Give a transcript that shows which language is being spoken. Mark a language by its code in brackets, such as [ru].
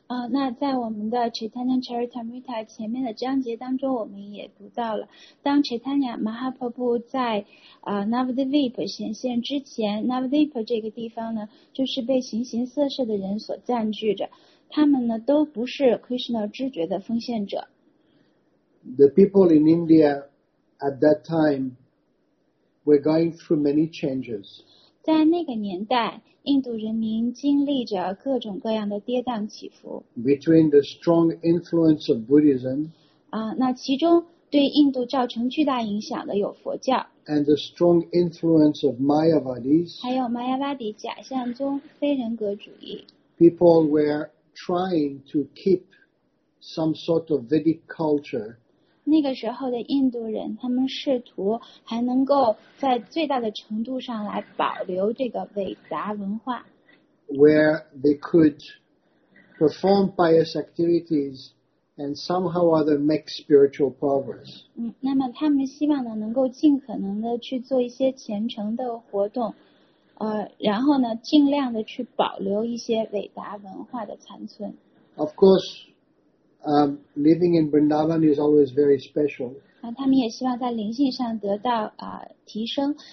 [zh] 那在我们的 Chaitanya Charitamrita 前面的章节当中我们也读到了当 Chaitanya Mahaprabhu 在Navadvip 显现之前 Navadvip 这个地方呢就是被形形色色的人所占据着他们呢都不是 Krishna 知觉的奉献者 [en] The people in India at that time were going through many changes [zh] 在那个年代印度人民经历着各种各样的跌宕起伏 [en] between the strong influence of Buddhism [zh] 那其中对印度造成巨大影响的有佛教 [en] and the strong influence of Mayavadis [zh] 还有 Mayavadi 假象中非人格主义 [en] people were trying to keep some sort of Vedic culture [zh] 那个时候的印度人他们试图还能够在最大的程度上来保留这个韦达文化 [en] where they could perform pious activities and somehow or other make spiritual progress [zh] 那么他们希望呢能够尽可能的去做一些虔诚的活动然后呢尽量的去保留一些韦达文化的残存 [en] of course living in Vrindavan is always very special [zh] 他们也希望在灵性上得到提升。